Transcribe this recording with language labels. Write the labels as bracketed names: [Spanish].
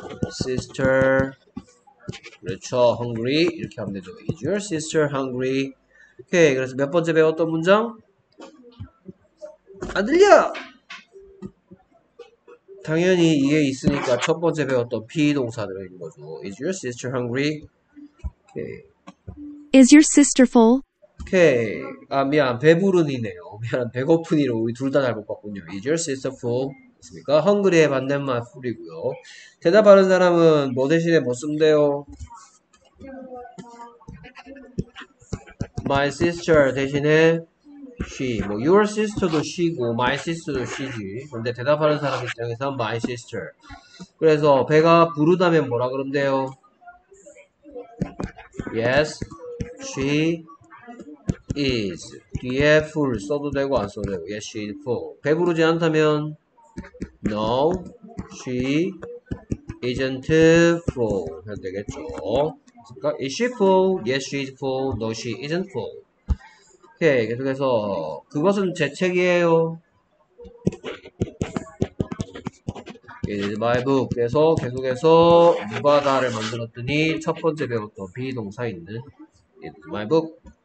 [Korean] sister 그렇죠 hungry 이렇게 하면 되죠 [English] is your sister hungry [Korean] 오케이 그래서 몇 번째 배웠던 문장 안 들려 당연히 이게 있으니까 첫 번째 배웠던 be 동사 들어있는 거죠 is your sister hungry 오케이 [English] is your sister full [Korean] 오케이 아 미안 배부른이네요 미안 배고픈이로 우리 둘 다 잘못 봤군요 [English] is your sister full [Korean] 있습니까? hungry의 반대말 풀이고요. 대답하는 사람은 뭐 대신에 뭐 쓰면 돼요? My sister 대신에 she. 뭐 your sister도 she고 my sister도 she지. 근데 대답하는 사람 입장에서 my sister. 그래서 배가 부르다면 뭐라 그러면 돼요? [English] Yes, she is. [Korean] 뒤에 full 써도 되고 안 써도 되고. [English] Yes, she is full. [Korean] 배부르지 않다면 [English] No, she isn't full. [Korean] 해야 되겠죠. 그러니까, [English] is she full? Yes, she is full. No, she isn't full. [Korean] 오케이, 계속해서 그것은 제 책이에요. [English] It is my book. [Korean] 그래서 계속해서 누가다를 만들었더니 첫 번째 배웠던 be 동사 있는 [English] It is my book.